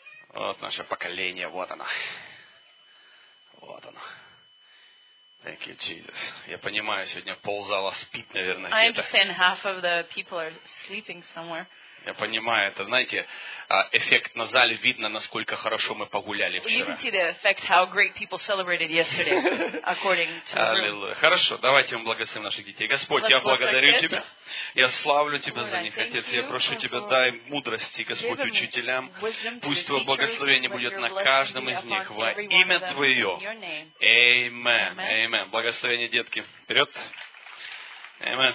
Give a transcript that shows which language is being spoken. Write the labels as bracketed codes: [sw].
[ru] Вот наше поколение, вот оно. Вот оно. [en] Thank you, Jesus. [ru] Я понимаю, сегодня ползала спит, наверное, где-то. [en] I understand half of the people are sleeping somewhere. [ru] Я понимаю, это, знаете, эффект на зале видно, насколько хорошо мы погуляли вчера. [en] You can see the effect how great people celebrated yesterday, according to the [ru] Аллилуйя. Хорошо, давайте мы благословим наших детей. Господь, [en] Let's [ru] я благодарю Тебя. Я славлю Тебя за них, Отец. Я прошу Тебя, дай мудрости, Господь, учителям. Пусть Твое благословение будет на каждом из них. Во имя Твое. Аминь. Благословение, детки. Вперед. Аминь.